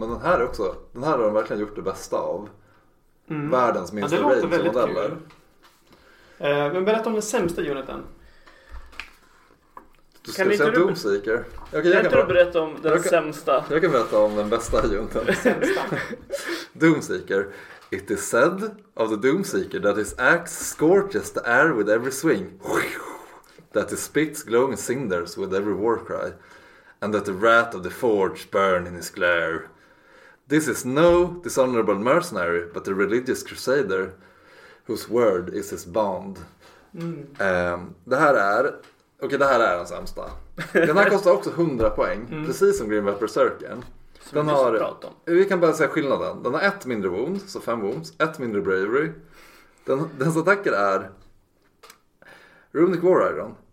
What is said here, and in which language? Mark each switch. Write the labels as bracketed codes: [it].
[sv] Men den här också, den här har de verkligen gjort det bästa av. Mm. Världens minsta range modeller. Ja, det låter väldigt kul. Men berätta om den sämsta uniten. Du ska kan säga du... Doomseeker. Okay, jag kan inte bara... du berätta om den sämsta? Jag kan berätta om den bästa junten. Sämsta. Doomseeker. [en] It is said of the Doomseeker that his axe scorches the air with every swing. That his spits glowing cinders with every war cry. And that the wrath of the forge burn in his glare. This is no dishonorable mercenary, but a religious crusader whose word is his bond. [sv] Det här är den sämsta. Den här kostar också 100 poäng. Mm. Precis som Grim Reaper Circle. Den har, vi kan bara säga skillnaden. Den har 1 mindre wound, så 5 wounds. 1 mindre bravery. Dens attacker är... Runic War Iron.